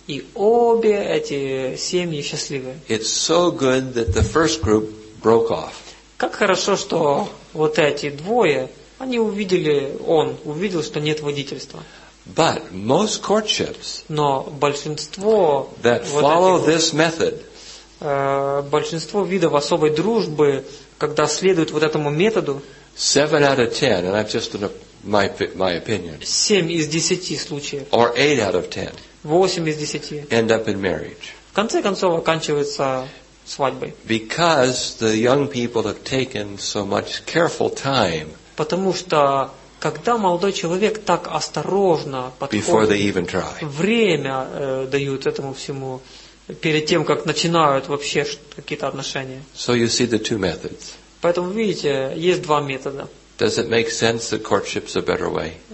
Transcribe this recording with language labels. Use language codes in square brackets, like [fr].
[ru] И обе эти семьи счастливы. [en] It's so good that the first group broke off. [ru] Как хорошо, что вот эти двое, они увидели, он увидел, что нет водительства. [en] But most courtships, [ru] но большинство [en] that [ru] вот [en] follow [ru] этих, [en] this method, [ru] большинство видов особой дружбы, когда следует вот этому методу, [en] 7 out of 10, and I'm just in my opinion, [ru] 7 из 10 случаев, [en] or 8 out of 10, [ru] 8 из 10, [en] end up in marriage. [ru] В конце концов, оканчивается свадьбой. [en] Because the young people have taken so much careful time, [ru] потому что, когда молодой человек так осторожно подходит, [en] before they even try, [ru] время дают этому всему, перед тем, как начинают вообще какие-то отношения. [en] So you see the two methods. [ru] Поэтому, видите, есть 2 метода. [en] Does it make sense that courtship's a better way?